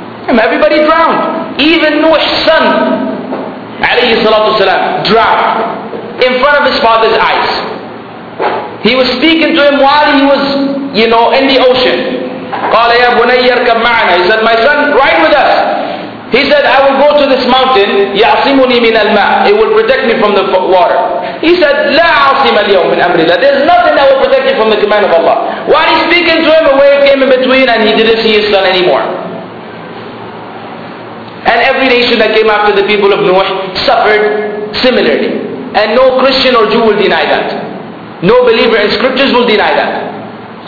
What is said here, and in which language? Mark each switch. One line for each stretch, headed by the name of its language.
English: And everybody drowned. Even Nuh's son, alayhi salatu salam, drowned in front of his father's eyes. He was speaking to him while he was, you know, in the ocean.
Arabic: قال يا بني اركب معنا.
English: He said, my son, ride with us. He said, I will go to this mountain,
Arabic: يَعْصِمُنِي مِنَ الْمَاءِ.
English: It will protect me from the water. He said,
Arabic: لَا عَصِمَ الْيَوْمِ مِنْ أَمْرِ اللَّهِ.
English: There's nothing that will protect you from the command of Allah. While he's speaking to him, a wave came in between and he didn't see his son anymore. And every nation that came after the people of Nuh suffered similarly. And no Christian or Jew will deny that. No believer in scriptures will deny that.